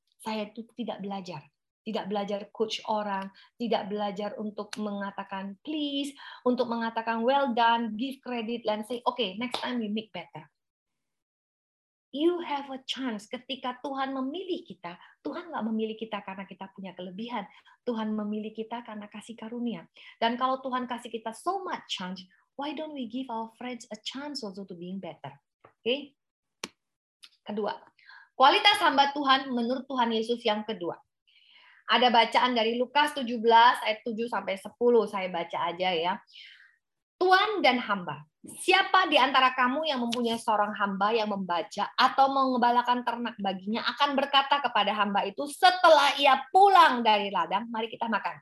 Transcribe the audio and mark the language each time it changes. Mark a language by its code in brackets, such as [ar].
[id] Saya itu tidak belajar. Tidak belajar coach orang, tidak belajar untuk mengatakan please, untuk mengatakan [en] well done, give credit, and say, okay, next time you make better. You have a chance. [id] Ketika Tuhan memilih kita, Tuhan nggak memilih kita karena kita punya kelebihan. Tuhan memilih kita karena kasih karunia. Dan kalau Tuhan kasih kita [en] so much chance, why don't we give our friends a chance also to being better? Okay? [id] Kedua, kualitas hamba Tuhan menurut Tuhan Yesus yang kedua. Ada bacaan dari Lukas 17 ayat 7 sampai 10, saya baca aja ya. Tuan dan hamba, siapa di antara kamu yang mempunyai seorang hamba yang membaca atau mengembalakan ternak baginya akan berkata kepada hamba itu setelah ia pulang dari ladang, mari kita makan.